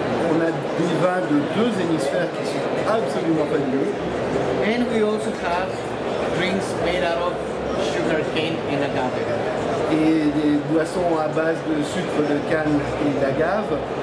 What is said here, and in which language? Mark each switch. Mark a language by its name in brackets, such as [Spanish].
[French] On a des vins de deux hémisphères qui sont absolument fabuleux. [English] And we also have drinks made out of sugar cane and agave. [French] Et des boissons à base de sucre de canne et d'agave.